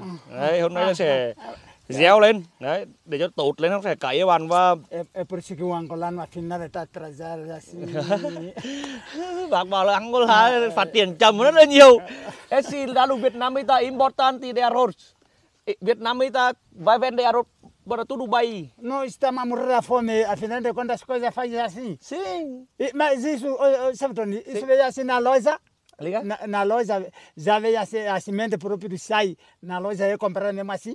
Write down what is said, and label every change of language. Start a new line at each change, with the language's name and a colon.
Vietnamese: Đấy, hôm nay nó sẽ gieo lên, đấy, để cho tốt lên nó sẽ cấy các bạn và...
Portuguese: É por isso que o angolano afinal está atrasado assim.
Vietnamese: Bác bảo là angolano phát triển chậm rất là nhiều.
Portuguese: É sim, lá no Vietnam está importante de arroz. Vietnam está vai vender arroz para tudo o país. Não, está a morrer da fome, afinal de contas as coisas fazem assim. Sim. Mas isso, sabe, Tony, isso veio assim na loja? Liga? Na loja, já veio a semente própria do chai, na loja eu comprei mesmo assim?